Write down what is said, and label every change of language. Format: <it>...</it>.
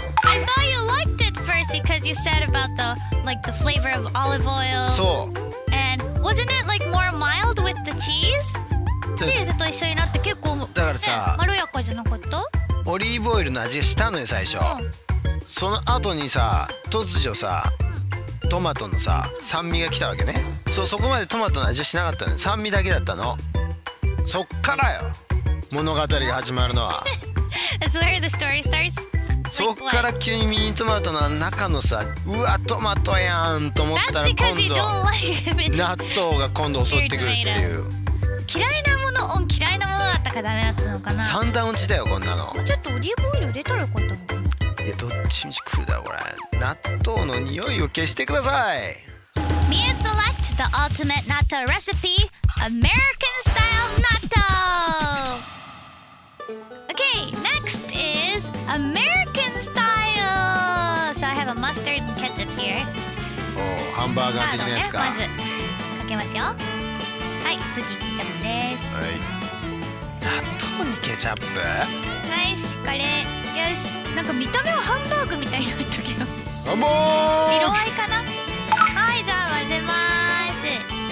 <en>I thought you liked it first because you said about the like the flavor of olive oil.</en> <ja>そう。</ja> <en>And wasn't it like more mild with the cheese?</en> <ja>チーズと一緒になって結構だからさ、まろやかじゃなかった？オリーブオイルの味がしたのよ最初。その後にさ、突如さ、トマトのさ酸味が来たわけね。そこまでトマトの味はしなかったのよ。酸味だけだったの。そっからよ物語が始まるのは。</ja> <en>That's where the story starts.</en> <ja>そっから急にミニトマトの中のさ、うわトマトやんと思ったら今度納豆が今度襲ってくるっていう。嫌いなもの、嫌いなものだったかダメだったのかな。三段落ちだよこんなの。ちょっとオリーブオイル入れたらよかったのかな。いやどっちみち来るだろこれ。納豆の匂いを消してください。</ja> <en>Mia select the ultimate natto recipe, American style natto. Okay, next is American style. So I have a mustard and ketchup here.</en> <ja>Oh, hamburger 的なやつか。まずかけますよ。はい、次ケチャップです。はい。納豆にケチャップ。ナイス、これ。よし、なんか見た目はハンバーグみたいになったけど。ハンバーグ。色合いかな。はい、じゃあ混ぜまーす。</ja>